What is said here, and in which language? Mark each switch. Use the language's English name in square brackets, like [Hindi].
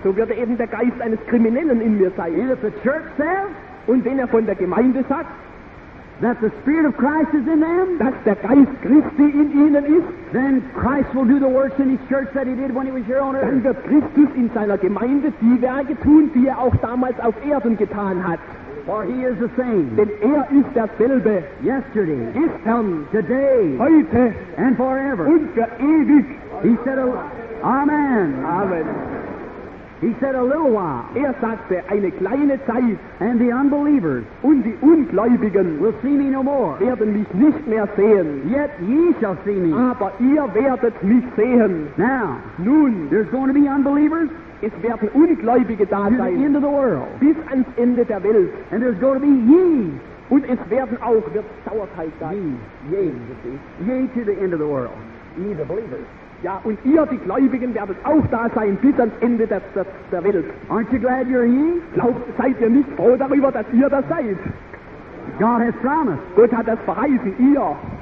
[German] so würde eben der Geist eines Kriminellen in mir sein. [English] And if the church says, [German] und wenn er von der Gemeinde sagt, [English] that the spirit of Christ is in them, [German] dass der Geist Christi in ihnen ist, [English] then Christ will do the works in his church that he did when he was here on earth. [German] Dann wird Christus in seiner Gemeinde die Werke tun, die er auch damals auf Erden getan hat. [English] For he is the same, [German] denn er ist derselbe, [English] yesterday, [German] gestern, [English] today, [German] heute, [English] and forever, [German] und für ewig. [English] He said, Amen. [German] Amen. [English] He said a little while, [German] er sagte eine kleine Zeit, [English] and the unbelievers, [German] und die Ungläubigen, [English] will see me no more, [German] werden mich nicht mehr sehen. [English] Yet ye shall see me, [German] aber ihr werdet mich sehen. [English] Now, [German] nun, [English] there's going to be unbelievers, [German] es werden Ungläubige da sein, [English] to the end of the world, [German] bis ans Ende der Welt. [English] And there's going to be ye, [German] und es werden auch, wird Sauerteig sein, [English] ye to the end of the world. ye the believers. [German] Ja, und ihr, die Gläubigen, werdet auch da sein bis ans Ende der Welt. [English] Aren't you glad you're ye? [German] Seid ihr nicht froh darüber, dass ihr das seid? [English] God has promised. [German] Gott hat das verheißen, ihr.